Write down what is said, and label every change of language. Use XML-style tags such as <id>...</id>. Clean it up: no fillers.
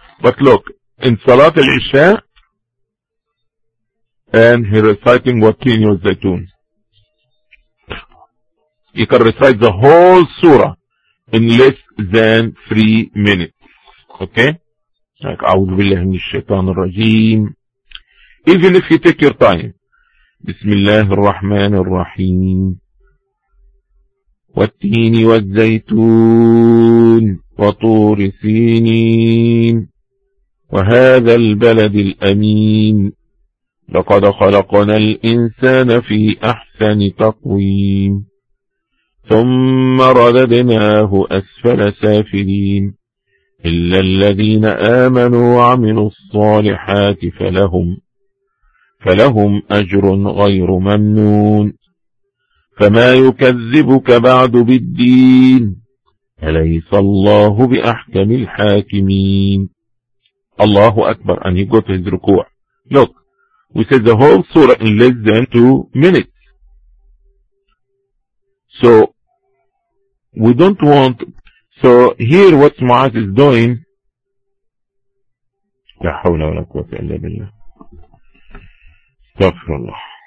<en>But look, in Salat al-Isha, and he reciting Watin Yuzaytun. You can recite the whole surah in less than 3 minutes. Okay?</en> <ar>Like, أعوذ بالله من الشيطان الرجيم.</ar> <en>Even if you take your time.</en> <ar>بسم الله الرحمن الرحيم. والتين والزيتون وطور سينين وهذا البلد الأمين لقد خلقنا الإنسان في أحسن تقويم ثم رددناه أسفل سافلين إلا الذين آمنوا وعملوا الصالحات فلهم أجر غير ممنون فما يكذبك بعد بالدين أليس الله بأحكم الحاكمين الله أكبر</ar> <en>and he got his</en> <ar>ركوع.</ar> <en>Look, we said the whole surah in less than 2 minutes. So we don't want, so here what Mu'adh is doing,</en> <ar>لا حول ولا قوة إلا بالله استغفر الله.</ar>